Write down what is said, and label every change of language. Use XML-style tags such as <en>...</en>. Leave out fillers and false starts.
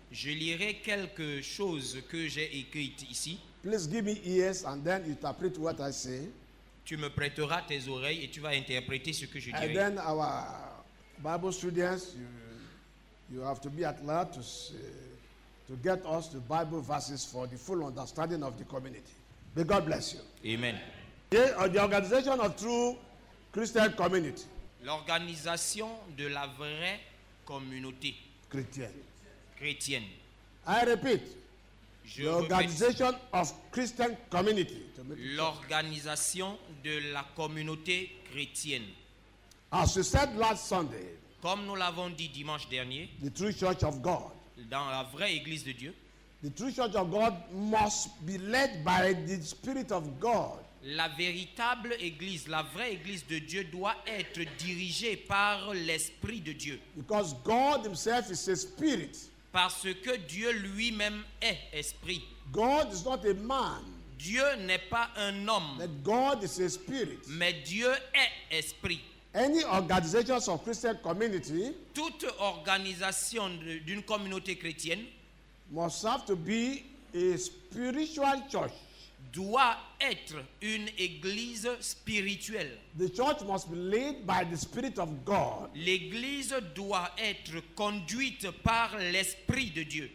<fr>Je lirai quelques choses que j'ai écrites ici.</fr> <en>Please give me ears and then interpret what I say.</en> <fr>Tu me prêteras tes oreilles et tu vas interpréter ce que je dirai.</fr> <en>And then our Bible students, you have to be at large to get us the Bible verses for the full understanding of the community. May God bless you. Amen. The organization of true Christian community.</en> <fr>L'organisation de la vraie communauté chrétienne. Chrétienne.</fr> <en>I repeat.</en> <fr>Je</fr> <en>organization of Christian community.</en> <fr>L'organisation de la communauté chrétienne.</fr> <en>As we said last Sunday.</en> <fr>Comme nous l'avons dit dimanche dernier.</fr> <en>The true church of God.</en> <fr>Dans la vraie église de Dieu.</fr> <en>The true church of God must be led by the Spirit of God.</en> <fr>La véritable église, la vraie église de Dieu doit être dirigée par l'Esprit de Dieu.</fr> <en>Because God himself is a spirit.</en> <fr>Parce que Dieu lui-même est esprit.</fr> <en>God is not a man.</en> <fr>Dieu n'est pas un homme.</fr> <en>But God is a spirit.</en> <fr>Mais Dieu est esprit.</fr> <en>Any organizations of Christian community.</en> <fr>Toute organisation d'une communauté chrétienne.</fr> <en>Must have to be a spiritual church.</en> <fr>Doit être une église spirituelle.</fr> <en>The church must be led by the Spirit of God.</en> <fr>L'église doit être conduite par l'Esprit de Dieu.</fr>